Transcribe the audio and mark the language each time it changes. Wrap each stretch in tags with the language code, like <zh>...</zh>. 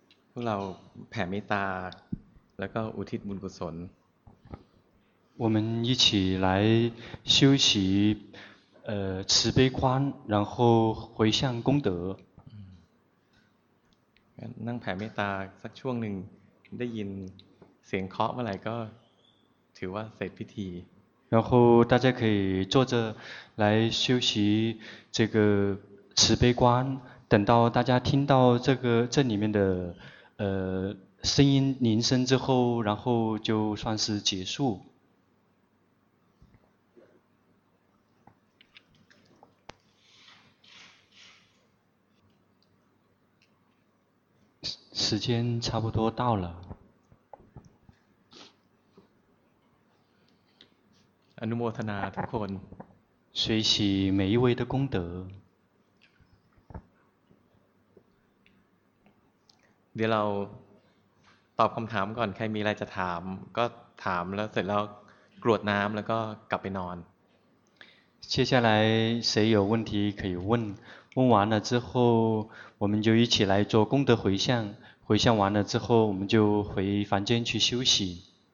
<th>พวกเราแผ่เมตตาแล้วก็อุทิศบุญกุศล</th> <zh>我们一起来修习慈悲宽然后回向功德</zh> <th>นั่งแผ่เมตตาสักช่วงหนึ่งได้ยินเสียงเคาะเมื่อไหร่ก็ถือว่าเสร็จพิธี</th> <zh>然后大家可以坐着来修习这个慈悲宽等到大家听到这个这里面的声音铃声之后然后就算是结束时间差不多到了</zh> <th>อนุโมทนาทุกคน</th> <zh>随喜每一位的功德</zh> <th>เดี๋ยวเราตอบคำถามก่อนใครมีอะไรจะถามก็ถามแล้วเสร็จแล้วกรวดน้ำแล้วก็กลับไปนอน</th> <zh>接下来谁有问题可以问问完了之后我们就一起来做功德回向回向完了之后我们就回房间去休息</zh>